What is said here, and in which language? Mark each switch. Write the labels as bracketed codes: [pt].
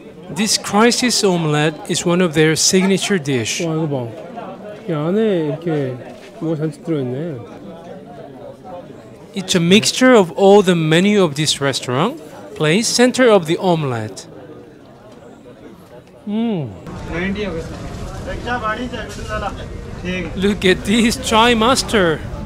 [en] This crisis omelette is one of their signature dish. [ko] 와, 이거 봐. 이 안에 이렇게 뭐가 잔뜩 들어있네. [en] It's a mixture of all the menu of this restaurant, place center of the omelette. Look at this chai master.